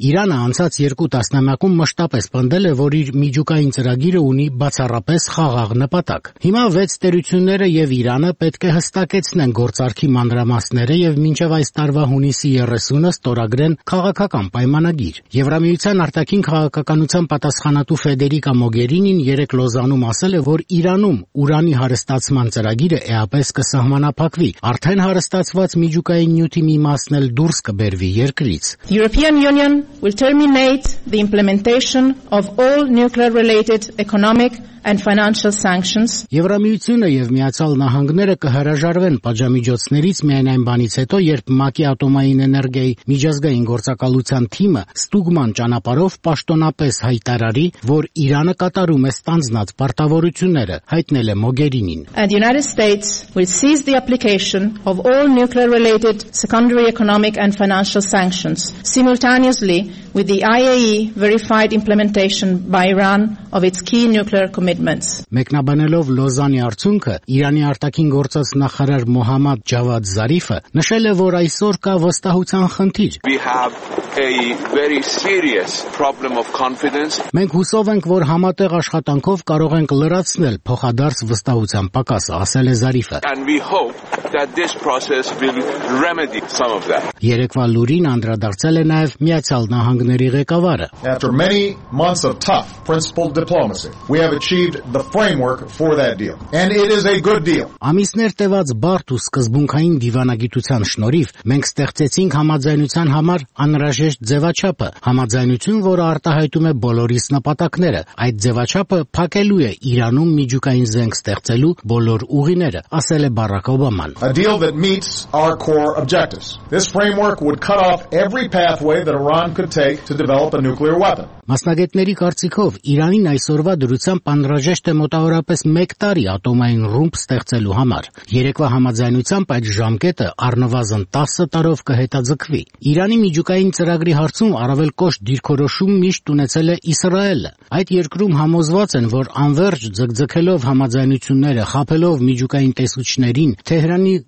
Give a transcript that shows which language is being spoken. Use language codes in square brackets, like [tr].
[hy] Իրանը անցած 2 տասնամյակում մշտապես պնդել է, որ իր միջուկային ծրագիրը ունի բացառապես խաղաղ նպատակ։ Հիմա վեց տերությունները եւ Իրանը պետք է հստակեցնեն գործարքի մանրամասները եւ մինչեւ այս տարվա հունիսի 30-ը ստորագրեն քաղաքական պայմանագիր։ Եվրամիության արտաքին քաղաքականության պատասխանատու Ֆեդերիկա Մոգերինին երեկ Լոզանում ասել է, որ Իրանում ուրանի հարստացման ծրագիրը էապես կսահմանափակվի, արդեն հարստացված միջուկային նյութի մի մասն էլ դուրս կբերվի երկրից։ [en] European Union will terminate the implementation of all nuclear-related economic and financial sanctions. [hy] Եվրամիությունը եւ Միացյալ Նահանգները կհրաժարվեն պատժամիջոցներից միայն այն բանից հետո, երբ ՄԱԿ-ի ատոմային էներգիայի միջազգային գործակալության թիմը ստուգման ճանապարհով պաշտոնապես հայտարարի, որ Իրանը կատարում է ստանձնած պարտավորությունները, հայտնել է Մոգերինին։ [en] And the United States will cease the application of all nuclear-related secondary economic and financial sanctions simultaneously with the IAEA verified implementation by Iran of its key nuclear commitments. [hy] Մեկնաբանելով Լոզանի արդյունքը, Իրանի արտաքին գործոց նախարար Մոհամադ Ջավադ Զարիֆը նշել է, որ այսօր կա վստահության խնդիր։ [en] We have a very serious problem of confidence. [hy] Մենք հուսով ենք, որ համատեղ աշխատանքով կարող ենք լրացնել փոխադարձ վստահության պակասը, ասել է Զարիֆը։ [en] And we hope that this process will remedy some of that. [hy] Երեկվա լուրին անդրադարձել է նաև Միացյալ Նահանգների ղեկավարը։ [en] After many months of tough principled diplomacy, we have achieved the framework for that deal, and it is a good deal. [hy] Ամիսներ տևած բարդ ու սկզբունքային դիվանագիտության շնորհիվ մենք ստեղծեցինք համաձայնության համար անհրաժեշտ ձևաչափը, համաձայնություն, որը արտահայտում է բոլորիս նպատակները։ Այդ ձևաչափը փակելու է Իրանում միջուկային զենք ստեղծելու բոլոր ուղիները, ասել է Բարակ Օբաման։ [en] A deal that meets our core objectives. This framework would cut off every pathway that Iran could take to develop a nuclear weapon. [hy] Մասնագետների կարծիքով Իրանին այսօրվա դրությամբ անհրաժեշտ է մոտավորապես 1 տարի ատոմային ռումբ ստեղծելու համար։ Երեկվա համաձայնությամբ այդ ժամկետը առնվազն 10 տարով կհետաձգվի։ Իրանի միջուկային ծրագրի հարցում առավել կոշտ դիրքորոշում միշտ ունեցել է Իսրայելը։ Այդ երկրում համոզված են, որ անվերջ ձգձգելով համաձայնությունները, խაფելով միջուկային տեսուչներին, Թեհրանի